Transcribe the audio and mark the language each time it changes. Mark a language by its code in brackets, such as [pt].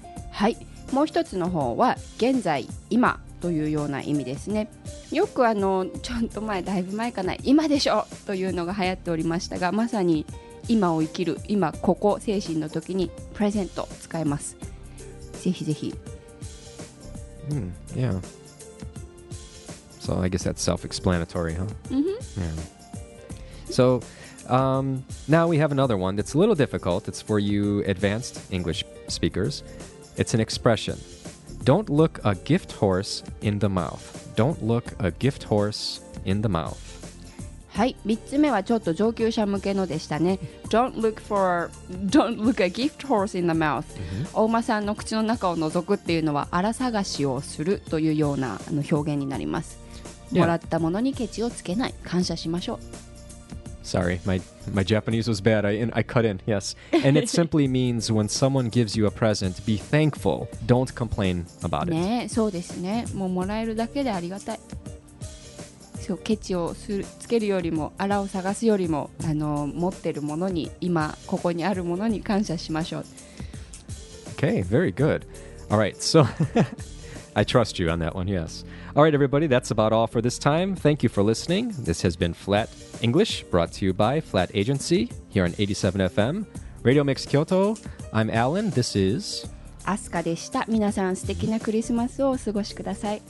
[ja] はい、もう一つの方は現在、今。というような意味ですね。よくちょっと前、だいぶ前かな、今でしょというのが流行っておりましたが、まさに今を生きる、今ここ精神の時にプレゼント使えます。ぜひぜひ。 [en] Yeah, so I guess that's self-explanatory, huh? Mm-hmm. Yeah. So now we have another one that's a little difficult. It's for you advanced English speakers. It's an expressionDon't look a gift horse in the mouth. Don't look a gift horse in the mouth. [ja] はい、3つ目はちょっと上級者向けのでしたね。 [en] Don't look a gift horse in the mouth. [ja] お馬さんの口の中を覗くっていうのは、荒探しをするというような表現になります。もらったものにケチをつけない。感謝しましょう。 [en] Sorry, my Japanese was bad. I cut in, yes. And it simply means when someone gives you a present, be thankful. Don't complain about it. [ja] ね、そうですね。もうもらえるだけでありがたい。そう、ケチをつけるよりも、あらを探すよりも、持ってるものに、今ここにあるものに感謝しましょう。 [en] Okay, very good. All right, so... I trust you on that one, yes. All right, everybody, that's about all for this time. Thank you for listening. This has been Flat English, brought to you by Flat Agency, here on 87FM. Radio Mix Kyoto, I'm Alan, this is... [ja] Asuka でした。皆さん、素敵なクリスマスをお過ごしください。